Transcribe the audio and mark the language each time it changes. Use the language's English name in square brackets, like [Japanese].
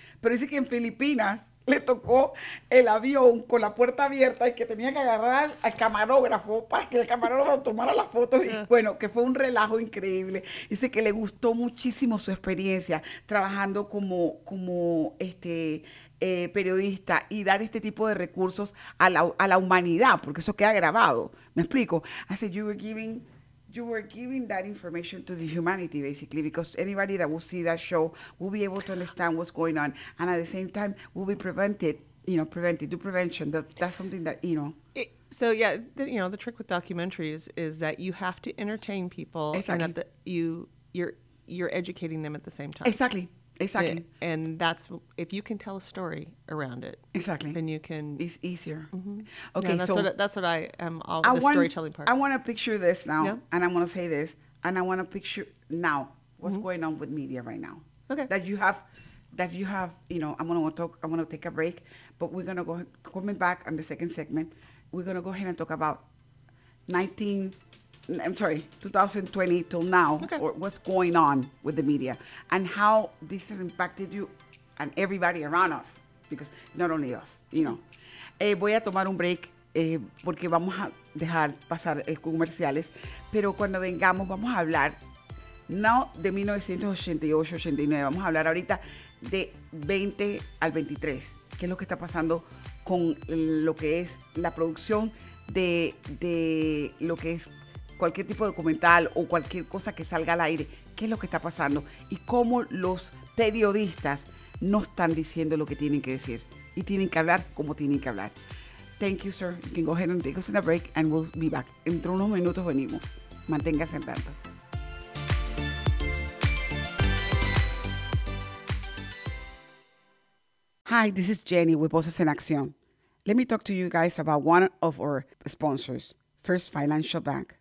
[Spanish] Pero dice que en Filipinas le tocó el avión con la puerta abierta y que tenía que agarrar al camarógrafo para que el camarógrafo tomara la foto. Y bueno, que fue un relajo increíble. Dice que le gustó muchísimo su experiencia trabajando como periodista y dar este tipo de recursos a la humanidad, porque eso queda grabado. ¿Me explico? [English] I said, you were giving that information to the humanity, basically, because anybody that will see that show will be able to understand what's going on. And at the same time, will be prevention. That's something that, you know. The trick with documentaries is that you have to entertain people. Exactly. And you're educating them at the same time. Exactly. Exactly. And that's, if you can tell a story around it. Exactly. Then you can. It's easier. Mm-hmm. Okay, yeah, storytelling part. I want to picture this now, and I want to say this, and I want to picture now what's going on with media right now. Okay. That you have, you know, I'm going to take a break, but we're going to go, coming back on the second segment, we're going to go ahead and talk about 2020 till now, okay. Or what's going on with the media and how this has impacted you and everybody around us, because not only us, you know. [Spanish] Voy a tomar un break porque vamos a dejar pasar comerciales, pero cuando vengamos vamos a hablar, no de 1988, 89, vamos a hablar ahorita de 20 al 23. ¿Qué es lo que está pasando con lo que es la producción de lo que es cualquier tipo de documental o cualquier cosa que salga al aire? ¿Qué es lo que está pasando? ¿Y cómo los periodistas no están diciendo lo que tienen que decir? Y tienen que hablar como tienen que hablar. [English] Thank you, sir. You can go ahead and take us in a break and we'll be back. [Spanish] Entre unos minutos venimos. Manténgase al tanto. [English] Hi, this is Jenny with Voces en Acción. Let me talk to you guys about one of our sponsors, First Financial Bank.